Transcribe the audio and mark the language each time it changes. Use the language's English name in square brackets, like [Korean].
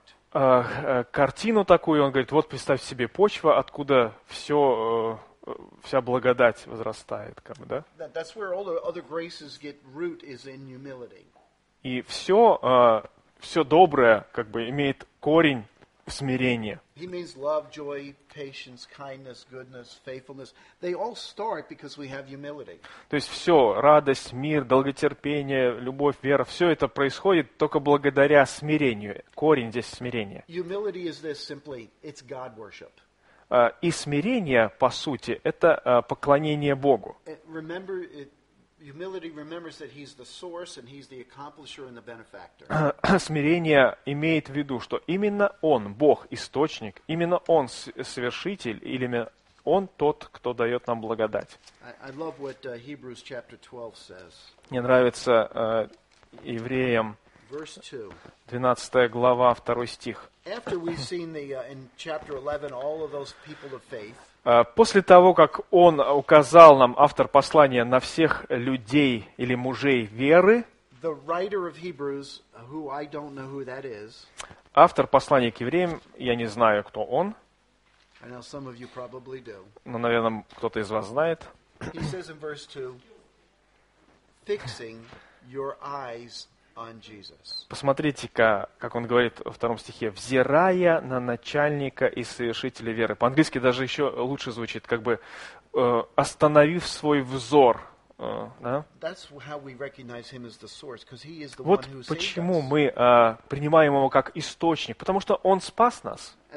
[Russian] Картину такую, он говорит, вот представь себе почва, откуда все, вся благодать возрастает. Как бы, да? [English] That's where all the other graces get root is in humility. [Russian] И все, все доброе как бы имеет корень в смирении. [English] He means love, joy, patience, kindness, goodness, faithfulness. They all start because we have humility. [Russian] То есть все, радость, мир, долготерпение, любовь, вера, все это происходит только благодаря смирению. Корень здесь смирение. [English] Humility is this simply, it's God worship. [Russian] И смирение, по сути, это поклонение Богу. [English] Remember, humility remembers that he's the source and he's the accomplisher and the benefactor. [Russian] Смирение имеет в виду, что именно он, Бог, источник, именно он совершитель, или он тот, кто дает нам благодать. [English] I love what Hebrews chapter 12 says. [Russian] Мне нравится евреям 12 глава, 2 стих. [English] After we've seen the in chapter 11 all of those people of faith. [Russian] После того, как он указал нам, автор послания, на всех людей или мужей веры, [English] Hebrews, is, [Russian] автор послания к евреям, я не знаю, кто он, но, наверное, кто-то из вас знает. [English] He says in verse 2, fixing your eyes on Jesus. [Russian] Посмотрите-ка, как он говорит во втором стихе, «взирая на начальника и совершителя веры». По-английски даже еще лучше звучит, как бы «остановив свой взор». Вот почему мы принимаем его как источник, потому что он спас нас.